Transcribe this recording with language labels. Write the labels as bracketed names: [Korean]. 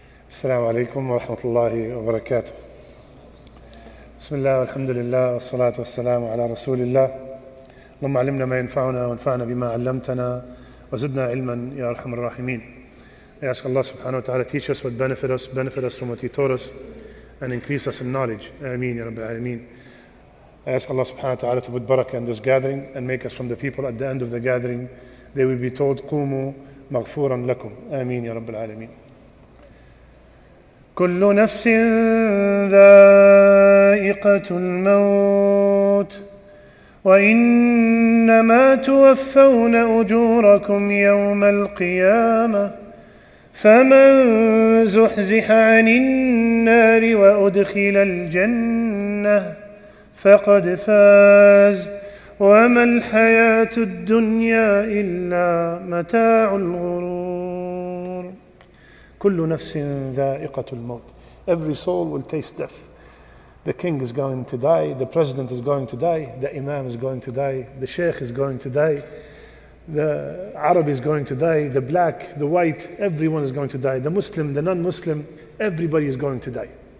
[Arabic] السلام عليكم ورحمة الله وبركاته. بسم الله والحمد لله والصلاة والسلام على رسول الله. اللهم علمنا ما ينفعنا وانفعنا بما علمتنا وزدنا علما يا أرحم الراحمين. [English] I ask Allah subhanahu wa ta'ala teach us what benefit us from what He taught us and increase us in knowledge. [Arabic] Ameen ya Rabbil Alameen. [English] I ask Allah subhanahu wa ta'ala to put barakah in this gathering and make us from the people at the end of the gathering. They will be told, [Arabic] قوموا مغفورا لكم. Ameen ya Rabbil Alameen. كل نفس ذائقة الموت وإنما توفون أجوركم يوم القيامة فمن زحزح عن النار وأدخل الجنة فقد فاز وما الحياة الدنيا إلا متاع الغرور. كل نفس ذائقة الموت. [English] Every soul will taste death. The king is going to die, the president is going to die, the imam is going to die, the sheikh is going to die, the Arab is going to die, the black, the white, everyone is going to die, the Muslim, the non-Muslim, everybody is going to die.